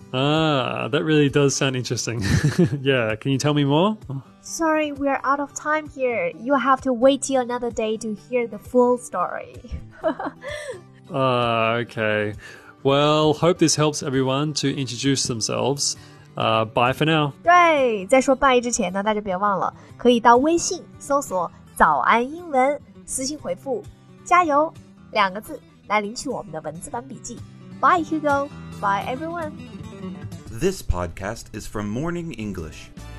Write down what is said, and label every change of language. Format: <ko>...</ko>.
<en>Ah, that really does sound interesting. Yeah, can you tell me more? Sorry, we are out of time here. You have to wait till another day to hear the full story. Okay. Well, hope this helps everyone to introduce themselves. Bye for now.</en> <zh>对，在说拜之前呢，大家别忘了，可以到微信搜索早安英文，私信回复加油两个字来领取我们的文字版笔记。</zh> <en>Bye Hugo. Bye everyone. This podcast is from Morning English.</en>